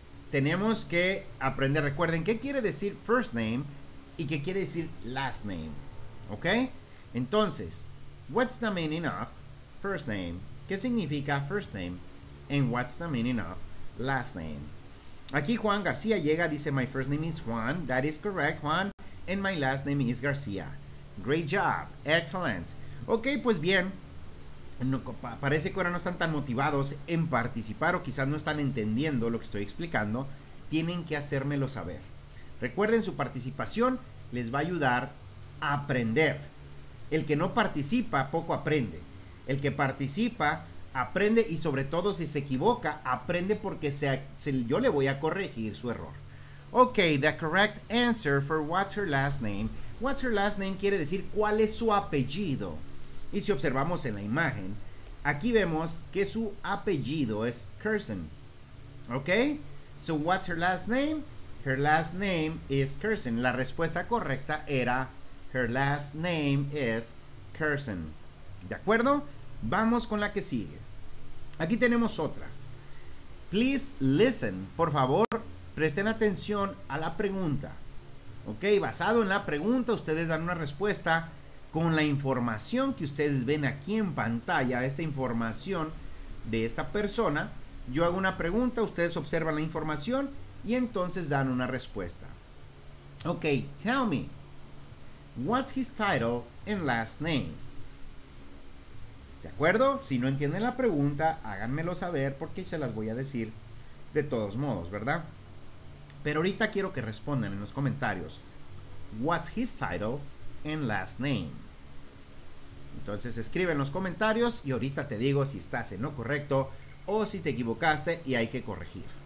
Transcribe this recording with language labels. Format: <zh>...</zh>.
<es>Tenemos que aprender, recuerden, ¿qué quiere decir first name y qué quiere decir last name? ¿Ok? Entonces,</es> <en>what's the meaning of first name?</en> <es>¿Qué significa first name?</es> <en>And what's the meaning of last name?</en> <es>Aquí Juan García llega, dice,</es> <en>my first name is Juan. That is correct, Juan. And my last name is García. Great job. Excellent. Ok,</en> <es>pues bien. No, parece que ahora no están tan motivados en participar o quizás no están entendiendo lo que estoy explicando. Tienen que hacérmelo saber. Recuerden, su participación les va a ayudar a aprender. El que no participa, poco aprende. El que participa, aprende, y sobre todo si se equivoca, aprende porque yo le voy a corregir su error.</es> <en>Ok, the correct answer for what's her last name. What's her last name</en> <es>quiere decir cuál es su apellido. Y si observamos en la imagen, aquí vemos que su apellido es Kirsten.</es> <en>Ok, so what's her last name? Her last name is Kirsten.</en> <es>La respuesta correcta era</es> <en>her last name is Kirsten.</en> <es>¿De acuerdo? Vamos con la que sigue. Aquí tenemos otra.</es> <en>Please listen.</en> <es>Por favor, presten atención a la pregunta. Ok, basado en la pregunta, ustedes dan una respuesta con la información que ustedes ven aquí en pantalla, esta información de esta persona. Yo hago una pregunta, ustedes observan la información y entonces dan una respuesta.</es> <en>Ok, tell me, what's his title and last name?</en> <es>¿De acuerdo? Si no entienden la pregunta, háganmelo saber porque se las voy a decir de todos modos, ¿verdad? Pero ahorita quiero que respondan en los comentarios.</es> <en>What's his title and last name?</en> <es>Entonces escribe en los comentarios y ahorita te digo si estás en lo correcto o si te equivocaste y hay que corregir.</es>